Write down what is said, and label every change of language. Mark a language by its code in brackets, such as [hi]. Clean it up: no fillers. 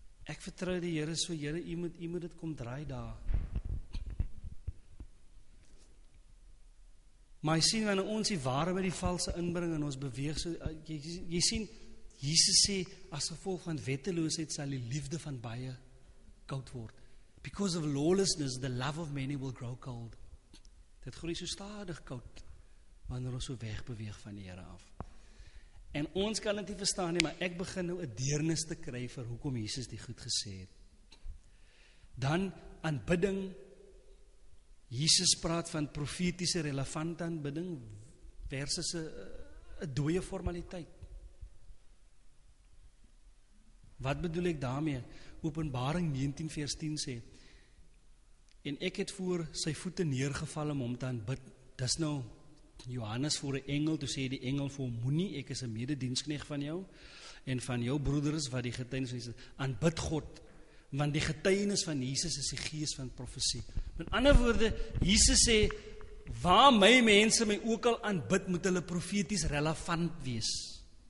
[af] Ek vertrou die Here so, Here, u moet dit kom draai daar. Maar jy sien, wanneer ons die ware met die valse inbring en ons beweeg, so, jy sien, Jesus sê, as gevolg van wetteloosheid sal die liefde van baie koud word. [en] Because of lawlessness, the love of many will grow cold. [af] Dit groei so stadig koud, wanneer ons so wegbeweeg van die Here af. En ons kan dit nie verstaan nie, maar ek begin nou 'n deernis te kry vir hoekom Jesus die goed gesê het. Dan, aanbidding, Jesus praat van profetiese relevante aanbidding versus 'n dooie formaliteit. Wat bedoel ek daarmee? Openbaring 19 vers 10 sê, en ek het voor sy voete neergeval om hom te aanbid. Dis nou Johannes voor 'n engel, toe sê die engel vir hom, moenie, ek is 'n mededienskneg van jou en van jou broeders wat die getuienis van Jesus, aanbid God, want die getuienis van Jesus is die gees van profesie. Met ander woorde, Jesus sê, waar my mense my ook al aanbid, moet hulle profeties relevant wees.